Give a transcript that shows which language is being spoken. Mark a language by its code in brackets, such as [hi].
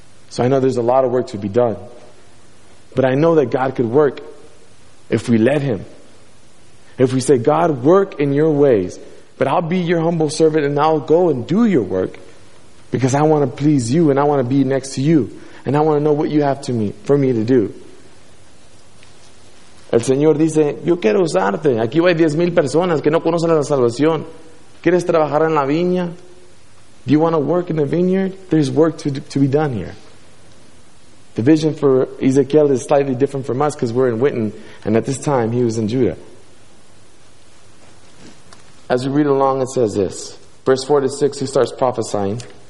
[en] So I know there's a lot of work to be done. But I know that God could work if we let Him. If we say, God, work in your ways, but I'll be your humble servant and I'll go and do your work because I want to please you and I want to be next to you and I want to know what you have for me to do. [es] El Señor dice, yo quiero usarte. Aquí hay 10,000 personas que no conocen la salvación. ¿Quieres trabajar en la viña? [en] Do you want to work in the vineyard? There's work to be done here. The vision for Ezekiel is slightly different from us because we're in Winton, and at this time he was in Judah. As we read along, it says this. Verse 4 to 6, he starts prophesying.